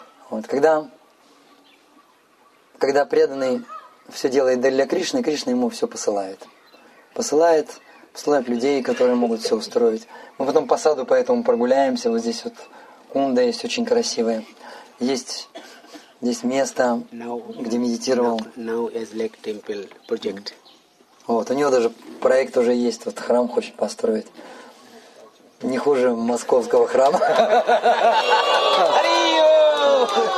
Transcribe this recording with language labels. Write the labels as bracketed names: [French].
[Russian] Вот когда преданный все делает для Кришны, Кришна ему все посылает. Посылает людей, которые могут все устроить. Мы потом по саду поэтому прогуляемся. Вот здесь вот кунда есть очень красивая. Есть место, [English] now, [Russian] где медитировал. [English] Now is Lake Temple project. [Russian] Вот, у него даже проект уже есть, вот храм хочет построить. Не хуже московского храма. Ариё!